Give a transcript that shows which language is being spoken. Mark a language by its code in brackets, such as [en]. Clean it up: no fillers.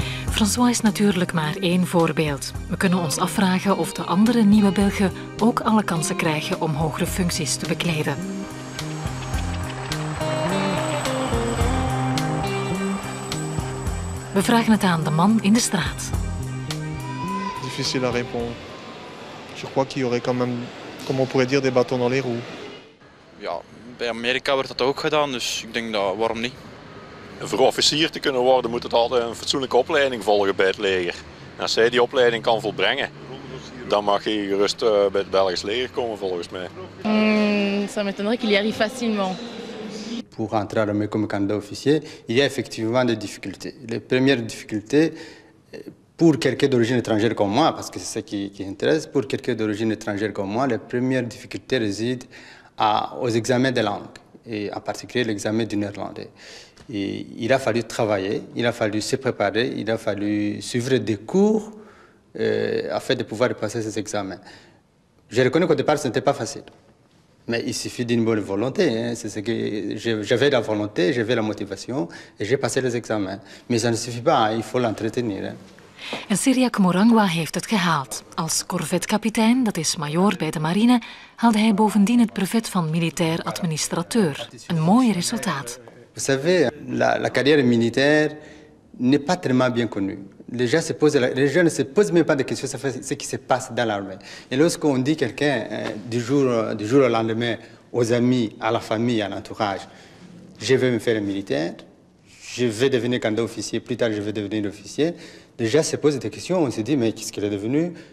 [nl] François is natuurlijk maar één voorbeeld. We kunnen ons afvragen of de andere nieuwe Belgen ook alle kansen krijgen om hogere functies te bekleden. We vragen het aan de man in de straat. [fr] Difficile à répondre. Je crois qu'il y aurait quand même, comme on pourrait dire, des bâtons dans les roues. [nl] Ja, bij Amerika werd dat ook gedaan, dus ik denk dat waarom niet? Voor officier te kunnen worden moet het altijd een fatsoenlijke opleiding volgen bij het leger. En als zij die opleiding kan volbrengen, dan mag je gerust bij het Belgisch leger komen volgens mij. [fr] Ça m'étonnerait qu'il y arrive facilement. Pour entrer armé comme candidat officier, il y a effectivement des difficultés. La première difficulté pour quelqu'un d'origine étrangère comme moi, parce que c'est ça qui intéresse, pour quelqu'un d'origine étrangère comme moi, la première difficulté réside aux examens de langue, et en particulier l'examen du néerlandais. Et il a fallu travailler, il a fallu se préparer, il a fallu suivre des cours afin de pouvoir passer ces examens. Je reconnais qu'au départ, ce n'était pas facile. Mais il suffit d'une bonne volonté. Hein. C'est ce que j'avais la volonté, j'avais la motivation et j'ai passé les examens. Mais ça ne suffit pas, hein. Il faut l'entretenir. Hein. [nl] En Siriac Morangwa heeft het gehaald. Als korvetkapitein, dat is majoor bij de marine, haalde hij bovendien het brevet van militair administrateur. Een mooi resultaat. [fr] Vous savez, la carrière militaire n'est pas tellement bien connue. Les gens ne se posent même pas de questions sur ce qui se passe dans l'armée. Et lorsqu'on dit quelqu'un du jour au lendemain aux amis, à la famille, à l'entourage, je vais me faire militaire, je vais devenir candidat officier, plus tard je vais devenir officier, les gens se posent des questions, on se dit, mais qu'est-ce qu'il est devenu?